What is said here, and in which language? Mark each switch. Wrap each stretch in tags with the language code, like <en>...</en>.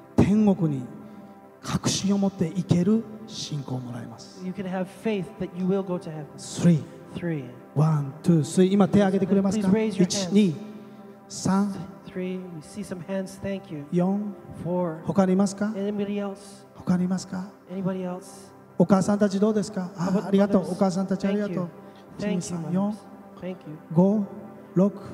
<ja>天国に確信を持っていける信仰をもらいます。</ja> <en>you can have faith that you will go to heaven.</en> <ja>3 1 2 3。今手を挙げてくれますか。</ja> <en>please raise your</en> <ja>hands. 1 2 3 3。</ja> <en>we see some hands. Thank you.</en> <ja>4 4。 他にいますか。</ja> <en>anybody else?</en> <ja>他にいますか。</ja> <en>anybody else?</en> <ja>お母さんたちどうですか。あ、 ありがとう。 お母さんたちありがとう。 1 2 3 4 5 6。</ja>